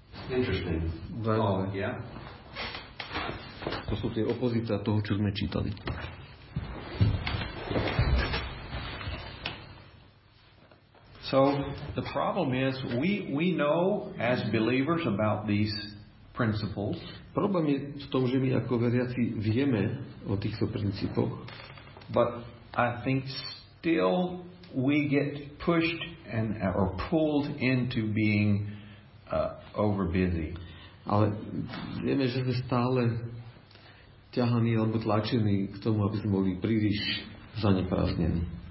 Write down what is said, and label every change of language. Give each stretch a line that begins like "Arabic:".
English: Interesting. Oh, yeah.
Slovak: To sú tie opozita toho, čo sme čítali.
English: So the problem is we know as believers about these principles.
Slovak: Problém je v tom, že my ako veriaci vieme o týchto princípoch.
English: But I think still we get pushed and or pulled into being overbusy.
Slovak: Ale vieme, že sme stále ťahaní alebo tlačení k tomu, aby sme boli príliš zaneprázdnení.